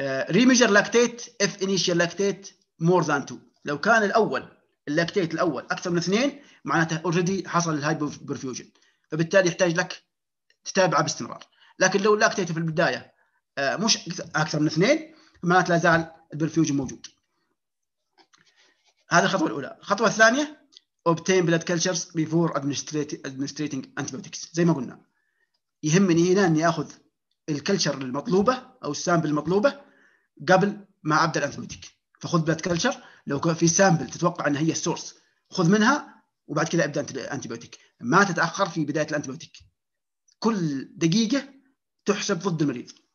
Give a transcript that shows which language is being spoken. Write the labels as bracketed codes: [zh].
[en] remeasure lactate if initial lactate more than two, [ar] لو كان الأول اللاكتيت الأول أكثر من اثنين معناته أوريدي حصل الهايبو بروفيوجن, فبالتالي يحتاج لك تتابعه باستمرار. لكن لو اللاكتيت في البداية مش أكثر من اثنين معناته لا زال البروفيوجن موجود. هذه الخطوة الأولى. الخطوة الثانية [en] obtain blood cultures before administering antibiotics. [ar] زي ما قلنا يهمني هنا اني اخذ الكلتشر المطلوبه او السامبل المطلوبه قبل ما ابدا الانتيبيوتيك, فخذ بلاد كلتشر لو كان في سامبل تتوقع انها هي السورس خذ منها وبعد كذا ابدا الانتيبيوتيك, ما تتاخر في بدايه الانتيبيوتيك, كل دقيقه تحسب ضد المريض.